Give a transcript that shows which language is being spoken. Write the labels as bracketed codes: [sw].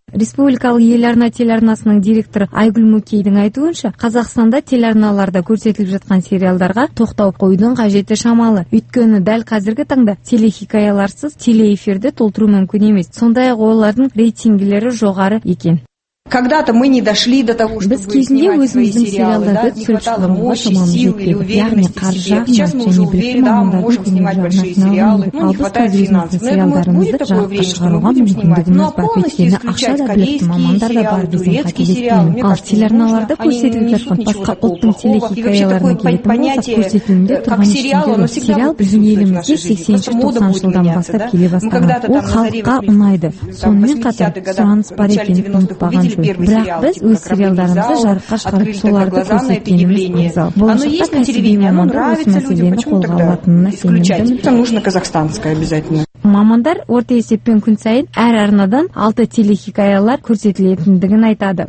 [kk] Республикалық еларна телеарнасының директоры Айгүл Мүкейдің айтуынша, Қазақстанда телеарналарда көрсетіліп жатқан сериалдарға тоқтау қойдың қажеті шамалы. Өйткені дәл қазіргі таңда телехикаяларсыз телеэфирді толтыру мүмкін емес. Сондай-ақ олардың рейтингілері жоғары екен. [ru] Когда-то мы не дошли до того, чтобы снимать свои сериалы, да, не хватало мощи, сил или уверенности. Сейчас мы уже уверены, да, мы можем снимать большие сериалы, но не хватает финансов. Но я думаю, будет такое время, что мы будем снимать. Но полностью исключать корейские сериалы, турецкие сериалы, мне кажется, не нужно. Они не несут ничего такого плохого. И вообще такое понятие, как сериал, оно всегда приняли в нашей жизни. Просто мода будет меняться. Мы когда-то там разорились, в 80-х годах, в 90-х поведении. [kk] Бірақ біз өз сериалдарымызды жарыққа шығарып, соларды көрсеткеніміз абзал. Болашақта кәсіби мамандар осы мәселені қолға алатынына сенімдімін. Мамандар орта есеппен күн сайын әр арнадан 6 телехикаялар көрсетілетіндігін айтады.